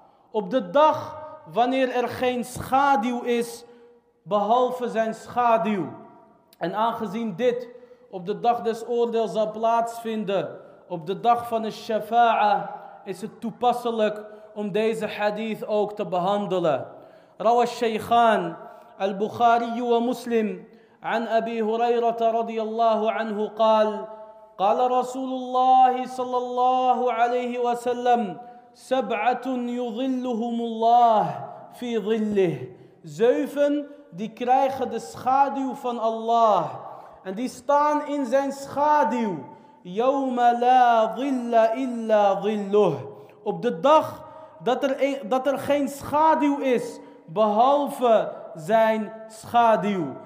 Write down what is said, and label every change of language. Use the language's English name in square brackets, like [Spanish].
[Dutch] Op de dag wanneer er geen schaduw is, behalve zijn schaduw. En aangezien dit op de dag des oordeels zal plaatsvinden, op de dag van de shafa'a, is het toepasselijk om deze hadith ook te behandelen. [Arabic] Rawa Shaykhan al-Bukhari wa Muslim عن أبي هريرة رضي الله عنه قال قال رسول الله صلى الله عليه وسلم سبعة يظلهم الله في ظله. [Dutch] Zeven die krijgen de schaduw van Allah en die staan in zijn schaduw. [Arabic] يوم لا ظل إلا ظله. [Dutch] Op de dag dat er geen schaduw is behalve zijn schaduw.